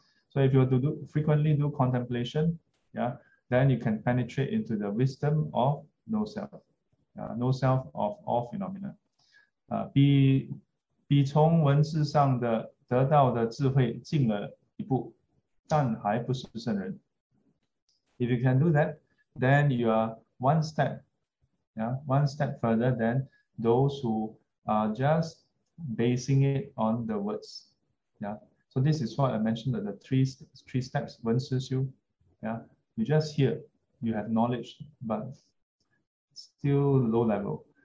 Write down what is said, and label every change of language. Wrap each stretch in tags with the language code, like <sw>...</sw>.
<en>So if you were to do, frequently do contemplation, then you can penetrate into the wisdom of no self. No self of all phenomena.</en> <zh>比从文字上的 得到的智慧进了一步, 但还不是圣人.</zh> <en>If you can do that, then you are one step, one step further than those who are just basing it on the words, So this is what I mentioned, that the three steps, 文思修, You just hear, you have knowledge, but still low level.</en>